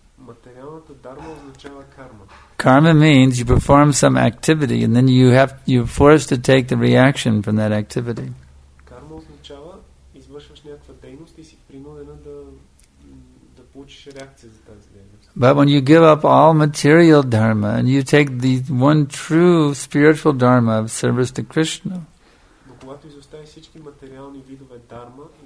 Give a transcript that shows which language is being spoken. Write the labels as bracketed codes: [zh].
[bg] Материалната дарма означава карма. [en] Karma means you perform some activity and then you're forced to take the reaction from that activity. [bg] Карма означава извършваш някаква дейност и си принудена да получиш реакция за тази дейност. [en] But when you give up all material dharma and you take the one true spiritual dharma of service to Krishna. [bg] Но когато изоставиш всички материални видове дарма,